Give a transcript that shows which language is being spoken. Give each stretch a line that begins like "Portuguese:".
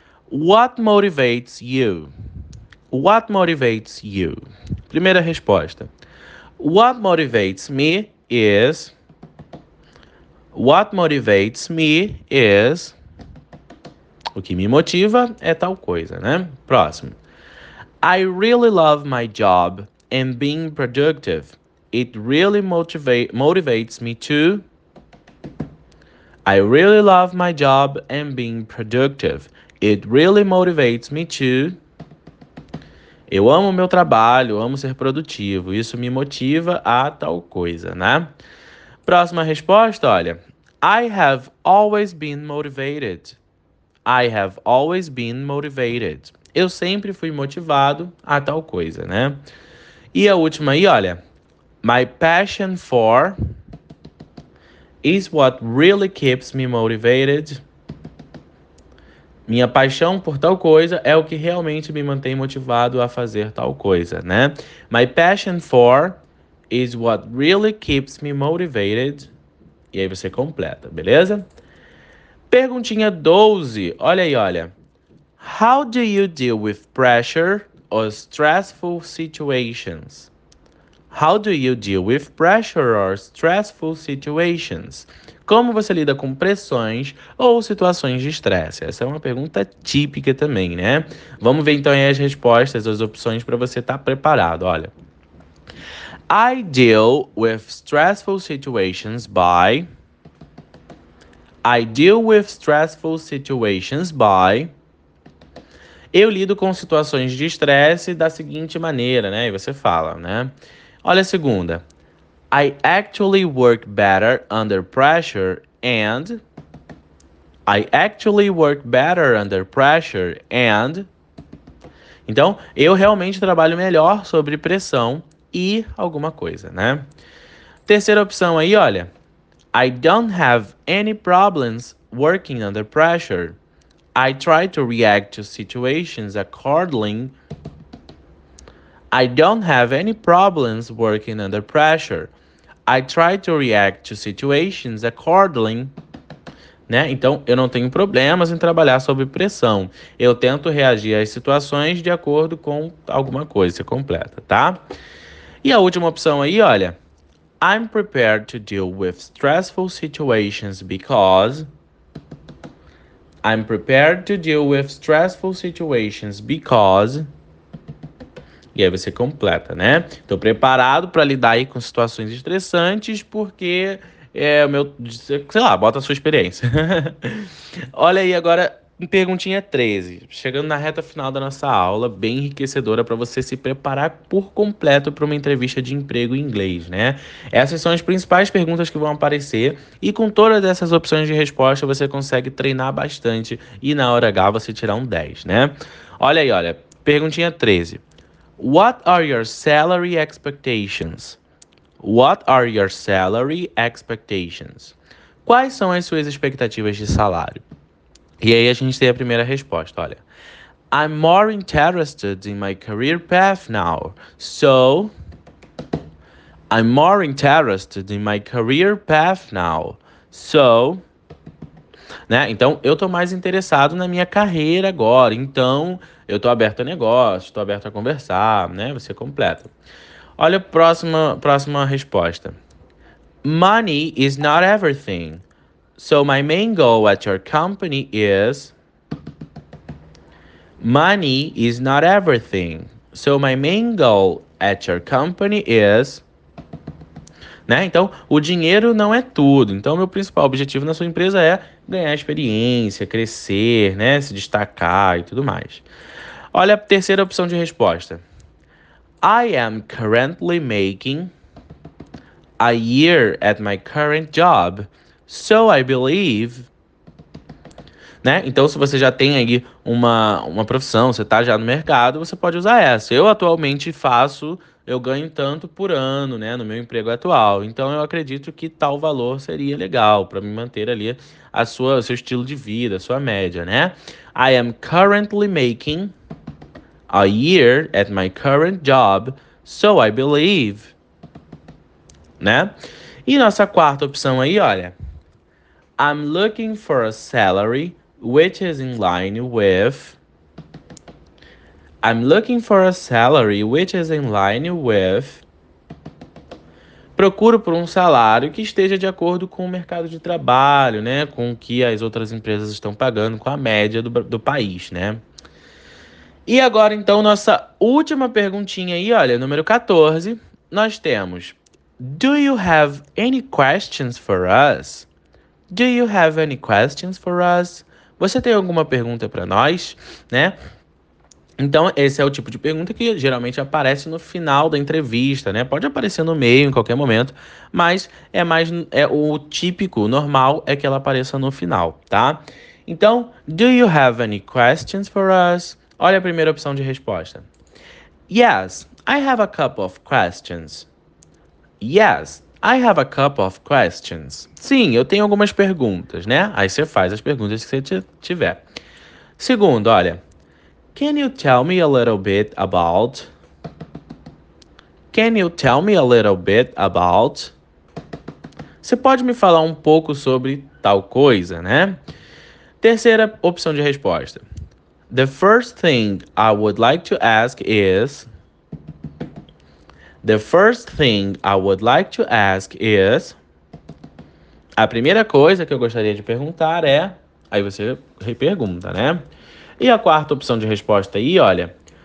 English: What motivates you? What motivates you?
Portuguese: Primeira resposta.
English: What motivates me is... What motivates me is...
Portuguese: O que me motiva é tal coisa, né? Próximo.
English: I really love my job and being productive. It really motivates me to. I really love my job and being productive. It really motivates me to.
Portuguese: Eu amo meu trabalho, amo ser produtivo. Isso me motiva a tal coisa, né? Próxima resposta, olha.
English: I have always been motivated. I have always been motivated.
Portuguese: Eu sempre fui motivado a tal coisa, né? E a última aí, olha.
English: My passion for is what really keeps me motivated.
Portuguese: Minha paixão por tal coisa é o que realmente me mantém motivado a fazer tal coisa, né?
English: My passion for is what really keeps me motivated.
Portuguese: E aí você completa, beleza? Perguntinha 12. Olha aí, olha.
English: How do you deal with pressure or stressful situations? How do you deal with pressure or stressful situations?
Portuguese: Como você lida com pressões ou situações de estresse? Essa é uma pergunta típica também, né? Vamos ver então aí as respostas, as opções para você estar preparado, olha.
English: I deal with stressful situations by... I deal with stressful situations by...
Portuguese: Eu lido com situações de estresse da seguinte maneira, né? E você fala, né? Olha a segunda.
English: I actually work better under pressure and... I actually work better under pressure and...
Portuguese: Então, eu realmente trabalho melhor sobre pressão e alguma coisa, né? Terceira opção aí, olha.
English: I don't have any problems working under pressure. I try to react to situations accordingly. I don't have any problems working under pressure. I try to react to situations accordingly. Né?
Portuguese: Então, eu não tenho problemas em trabalhar sob pressão. Eu tento reagir às situações de acordo com alguma coisa completa, tá? E a última opção aí, olha.
English: I'm prepared to deal with stressful situations because... I'm prepared to deal with stressful situations because...
Portuguese: E aí você completa, né? Tô preparado para lidar aí com situações estressantes porque é o meu... Sei lá, bota a sua experiência. Olha aí agora, perguntinha 13. Chegando na reta final da nossa aula, bem enriquecedora para você se preparar por completo para uma entrevista de emprego em inglês, né? Essas são as principais perguntas que vão aparecer e com todas essas opções de resposta você consegue treinar bastante e na hora H você tirar um 10, né? Olha aí, olha. Perguntinha 13.
English: What are your salary expectations? What are your salary expectations?
Portuguese: Quais são as suas expectativas de salário? E aí a gente tem a primeira resposta, olha.
English: I'm more interested in my career path now. So, I'm more interested in my career path now. So, né?
Portuguese: Então, eu tô mais interessado na minha carreira agora. Então, eu tô aberto a negócios, tô aberto a conversar, né? Você completa. Olha a próxima resposta.
English: Money is not everything. So my main goal at your company is. Money is not everything. So my main goal at your company is.
Portuguese: Né? Então, o dinheiro não é tudo. Então, meu principal objetivo na sua empresa é ganhar experiência, crescer, né? Se destacar e tudo mais. Olha a terceira opção de resposta.
English: I am currently making a year at my current job, so I believe, né?
Portuguese: Então, se você já tem aí uma profissão, você tá já no mercado, você pode usar essa. Eu atualmente faço, eu ganho tanto por ano, né, no meu emprego atual. Então, eu acredito que tal valor seria legal para me manter ali o seu estilo de vida, a sua média, né?
English: I am currently making a year at my current job, so I believe, né?
Portuguese: E nossa quarta opção aí, olha.
English: I'm looking for a salary which is in line with. I'm looking for a salary which is in line with.
Portuguese: Procuro por um salário que esteja de acordo com o mercado de trabalho, né? Com o que as outras empresas estão pagando, com a média do país, né? E agora, então, nossa última perguntinha aí, olha, número 14, nós temos:
English: Do you have any questions for us? Do you have any questions for us?
Portuguese: Você tem alguma pergunta para nós, né? Então, esse é o tipo de pergunta que geralmente aparece no final da entrevista, né? Pode aparecer no meio, em qualquer momento, mas é o típico, o normal é que ela apareça no final, tá?
English: Então, do you have any questions for us?
Portuguese: Olha a primeira opção de resposta.
English: Yes, I have a couple of questions. Yes, I have a couple of questions.
Portuguese: Sim, eu tenho algumas perguntas, né? Aí você faz as perguntas que você tiver. Segundo, olha.
English: Can you tell me a little bit about? Can you tell me a little bit about?
Portuguese: Você pode me falar um pouco sobre tal coisa, né? Terceira opção de resposta.
English: The first thing I would like to ask is. The first thing I would like to ask is.
Portuguese: A primeira coisa que eu gostaria de perguntar é. Aí você repergunta, né? E a quarta opção de resposta aí, olha.